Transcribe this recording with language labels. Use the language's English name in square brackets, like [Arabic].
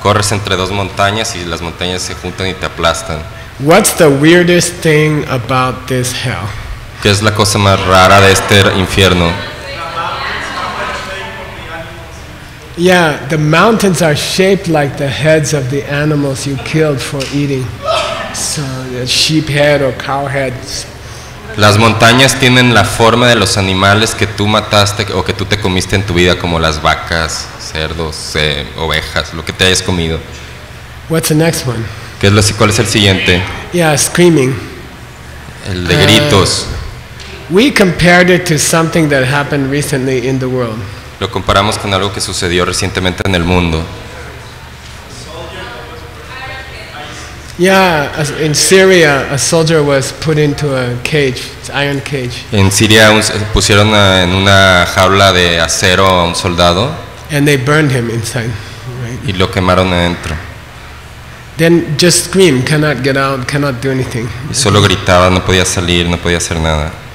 [Spanish] Corres entre dos montañas y las montañas se juntan y te aplastan. [English] What's the weirdest thing about this hell? [Spanish] ¿Qué es la cosa más rara de este infierno? [English] Yeah, the mountains are shaped like the heads of the animals you killed for eating. So the sheep head or cow head. [Spanish] Las montañas tienen la forma de los animales que tú mataste o que tú te comiste en tu vida, como las vacas, cerdos, ovejas, lo que te hayas comido. [English] What's the next one? [Spanish] ¿Cuál es el siguiente? [English] Yeah, screaming. [Spanish] El de gritos. [English] We compared it to something that happened recently in the world. [Spanish] Lo comparamos con algo que sucedió recientemente en el mundo. [English] Yeah, in Syria, a soldier was put into a cage, iron cage. [Spanish] En Siria pusieron en una jaula de acero a un soldado. [English] And they burned him inside. Right? [Spanish] Y lo quemaron adentro. [English] Then just scream, cannot get out, cannot do anything. [Spanish] Y solo gritaba, no podía salir, no podía hacer nada.